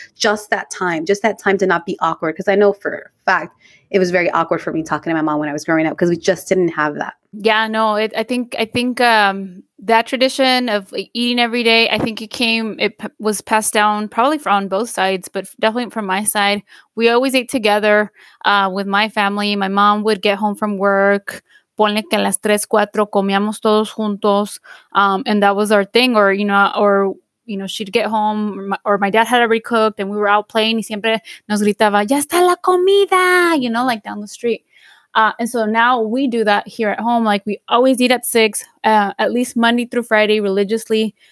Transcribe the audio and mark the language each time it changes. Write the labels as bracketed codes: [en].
[en] Just that time to not be awkward. Because I know for a fact, it was very awkward for me talking to my mom when I was growing up because we just didn't have that. Yeah, no, I think that tradition of eating every day, I think it was passed down probably from on both sides, but definitely from my side. We always ate together with my family. My mom would get home from work. [es] Ponle que las tres, cuatro, comíamos todos juntos. [en] And that was our thing, or she'd get home or my dad had already cooked and we were out playing. [es] Y siempre nos gritaba, ya está la comida, [en] you know, like down the street. And so now we do that here at home. Like, we always eat at 6, at least Monday through Friday, religiously.